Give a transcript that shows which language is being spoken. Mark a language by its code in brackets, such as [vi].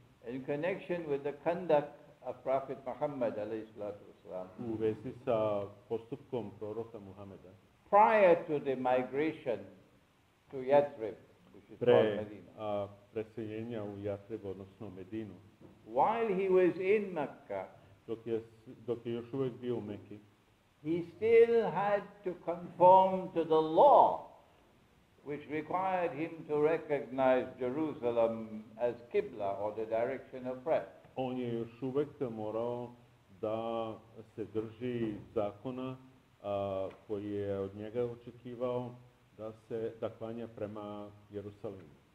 [en] in connection with the conduct of Prophet Muhammad [ar] alayhi salatu wasalam, [sr] u vezi sa postupkom proroka Muhammeda, [en] prior to the migration to Yathrib, which is called Medina, [sr] preseljenja u Yathrib, odnosno Medinu, [en] while he was in Mecca, [sr] dok je još uvek bio u Mekki, [en] he still had to conform to the law which required him to recognize Jerusalem as Qibla or the direction of prayer. [sr] On je još uvek morao da se drži zakona koji je od njega očekivao da se da klanja prema Jerusalimu.